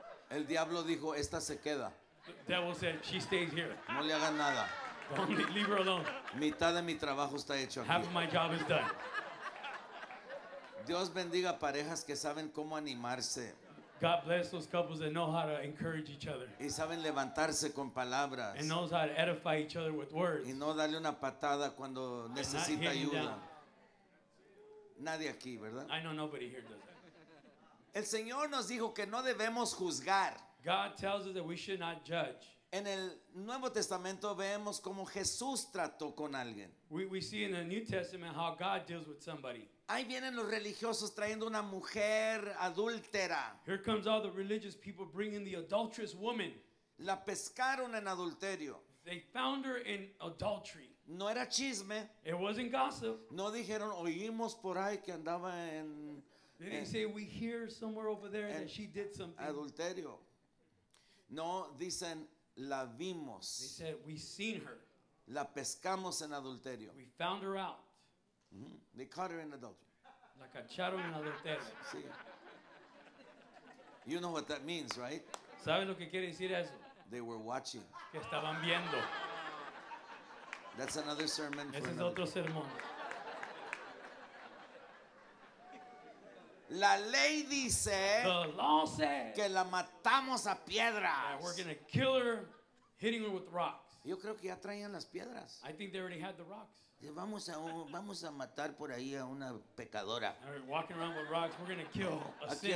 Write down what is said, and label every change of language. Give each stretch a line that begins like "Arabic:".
Spanish: El diablo dijo, esta se queda.
English: The devil said, she stays here.
Spanish: No le hagan nada.
English: Don't leave her alone.
Spanish: Mitad de mi trabajo está hecho aquí.
English: Half of my job is done.
Spanish: Dios bendiga parejas que saben cómo animarse.
English: God bless those couples that know how to encourage each other.
Spanish: Y saben levantarse con palabras.
English: And knows how to edify each other with words.
Spanish: Y no darle una patada cuando necesita ayuda. Nadie aquí, ¿verdad?
English: I know nobody here does that.
Spanish: El Señor nos dijo que no debemos juzgar.
English: God tells us that we should not judge.
Spanish: En el Nuevo Testamento vemos cómo Jesús trató con alguien.
English: We see in the New Testament how God deals with somebody.
Spanish: Ahí vienen los religiosos trayendo una mujer adúltera.
English: Here comes all the religious people bringing the adulterous woman.
Spanish: La pescaron en adulterio.
English: They found her in adultery.
Spanish: No era chisme.
English: It wasn't gossip.
Spanish: No dijeron, oímos por ahí que andaba en...
English: They didn't say, we hear somewhere over there that she did something.
Spanish: Adulterio. No, dicen, la vimos.
English: They said, we seen her.
Spanish: La pescamos en adulterio.
English: We found her out. Mm-hmm. They caught her in adultery.
Spanish: La cacharon en adulterio. Sí.
English: You know what that means, right?
Spanish: ¿Sabes lo que quiere decir eso?
English: They were watching.
Spanish: Que estaban viendo.
English: That's another sermon.
Spanish: Ese es otro sermón. La ley dice que la matamos a piedras.
English: We're going to kill her, hitting her with rocks.
Spanish: Yo creo que ya traían las piedras.
English: I think they already had the rocks.
Spanish: Vamos a matar por ahí a una pecadora.
English: We're walking around with rocks, we're going to kill a sinner.